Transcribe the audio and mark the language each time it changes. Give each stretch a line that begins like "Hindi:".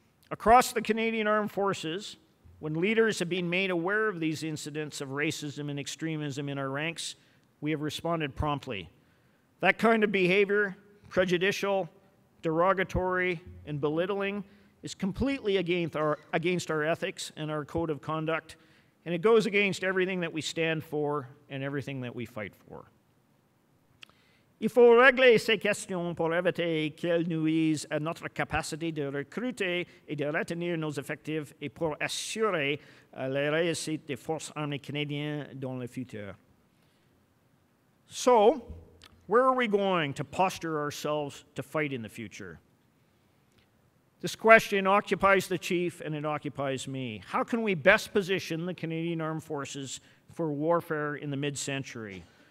English: Across the Canadian Armed Forces, when leaders have been made aware of these incidents of racism and extremism in our ranks, we have responded promptly. That kind of behavior, prejudicial, derogatory, and belittling, is completely against our ethics and our code of conduct, and it goes against everything that we stand for and everything that we fight for.
French: Il faut régler ces questions pour éviter qu'elles nuisent à notre capacité de recruter et de retenir nos effectifs et pour assurer la réussite des forces armées canadiennes dans le futur.
English: So, where are we going to posture ourselves to fight in the future? This question occupies the chief and it occupies me. How can we best position the Canadian Armed Forces for warfare in the mid-century?